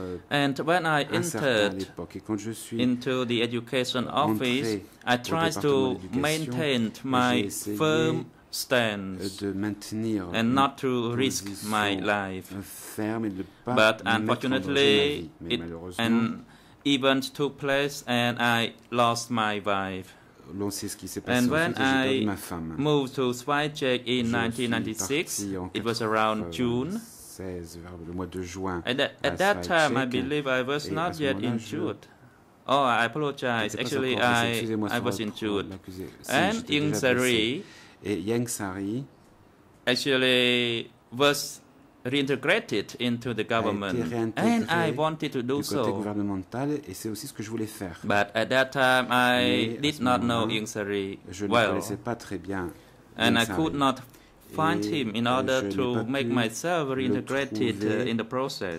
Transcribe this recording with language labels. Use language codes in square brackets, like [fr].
[en] And when I entered into the education office, I tried to maintain my firm stance and not to risk my life. But unfortunately, an event took place and I lost my wife. [fr] lancé ce qui s'est passé ensuite, j'ai perdu ma femme. [en] Moved to Schweizcheck in 1996. It was around June. [fr] Vers le mois de juin. [en] At that time, I believe I was not yet injured. Oh, I apologize. Actually, I was injured. And Yang Sari actually was reintegrated into the government. And I wanted to do so. [fr] Gouvernemental, et c'est aussi ce que je voulais faire. [en] But at that time, I did not know Yang Sari well. And I could not find him in order to make myself reintegrated in the process.